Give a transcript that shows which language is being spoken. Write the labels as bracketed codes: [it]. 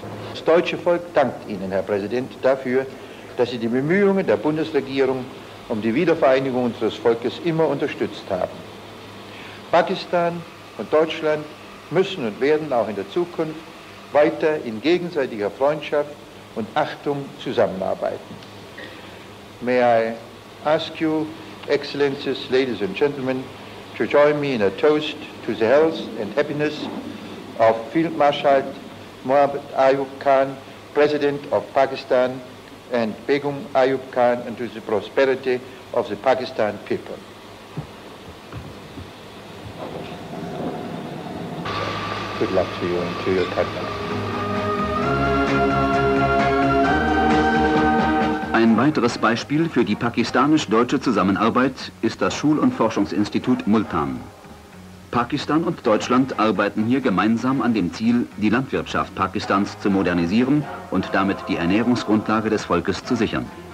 [de] Das deutsche Volk dankt Ihnen, Herr Präsident, dafür, dass Sie die Bemühungen der Bundesregierung um die Wiedervereinigung unseres Volkes immer unterstützt haben. Pakistan und Deutschland müssen und werden auch in der Zukunft weiter in gegenseitiger Freundschaft und Achtung zusammenarbeiten. [en] May I ask you, Excellencies, ladies and gentlemen, to join me in a toast to the health and happiness of Field Marshal Mohammed Ayub Khan, President of Pakistan, and Begum Ayub Khan, and to the prosperity of the Pakistan people. Good luck to you and to your partner. [de] Ein weiteres Beispiel für die pakistanisch-deutsche Zusammenarbeit ist das Schul- und Forschungsinstitut Multan. Pakistan und Deutschland arbeiten hier gemeinsam an dem Ziel, die Landwirtschaft Pakistans zu modernisieren und damit die Ernährungsgrundlage des Volkes zu sichern.